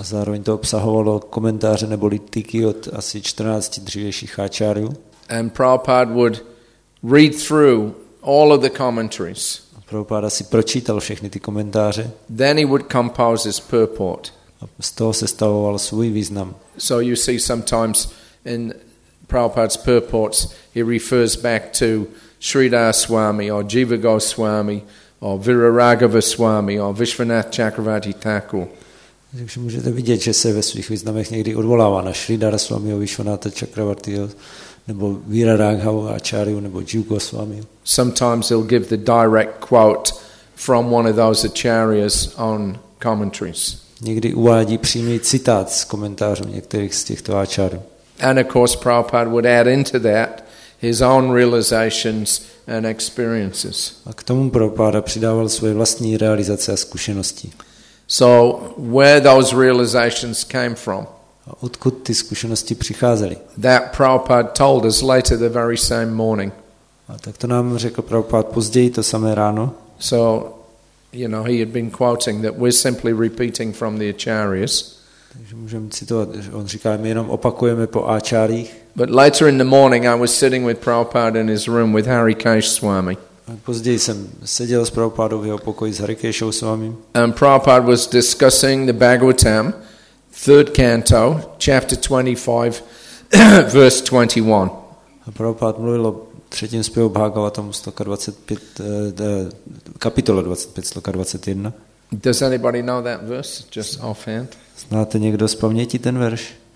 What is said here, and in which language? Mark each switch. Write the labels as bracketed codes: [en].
[cs] A zároveň to obsahovalo komentáře neboli tiky od asi 14 dřívějších acharyů. [en] And Prabhupada would read through all of the commentaries. [cs] A Prabhupada si pročítal všechny ty komentáře. [en] Then he would compose his purport. [cs] A z toho sestavoval svůj význam. [en] So you see sometimes in Prabhupada's purports he refers back to Sridhar Swami or Jiva Goswami or Viraragava Swami or Vishwanath Chakravarti Thakur. [cs] Takže můžete vidět, že se ve svých významech někdy odvolává na Sridhara Swamiho, Vishwanatha Chakravartiho nebo Viraragava Acharyu nebo Jiva Goswami. [en] Sometimes he'll give the direct quote from one of those acharyas on commentaries. [cs] Někdy uvádí přímý citát z komentářů některých z těchto áčárů. [en] And of course Prabhupada would add into that his own realizations and experiences. [cs] A k tomu Prabhupada přidával svoje vlastní realizace a zkušenosti. [en] So where those realizations came from? [cs] A odkud ty zkušenosti přicházely? [en] That Prabhupada told us later the very same morning. [cs] A tak to nám řekl Prabhupada později to samé ráno. [en] So you know, he had been quoting that we're simply repeating from the acharyas. [cs] Takže můžeme citovat, on říká, my jenom opakujeme po áčárích. [en] But later in the morning, I was sitting with Prabhupada in his room with Harikesh Swami. [cs] A později jsem seděl s Prabhupádou v jeho pokoji s Harikeshou Swami. [en] And Prabhupada was discussing the Bhagavatam, third canto, chapter 25, verse 21. [cs] A Prabhupada mluvil o třetím zpěvu Bhagavatamu 125, kapitola 25, sloka 21. [en] Does anybody know that verse, just offhand? [cs] Znáte někdo z paměti ten verš?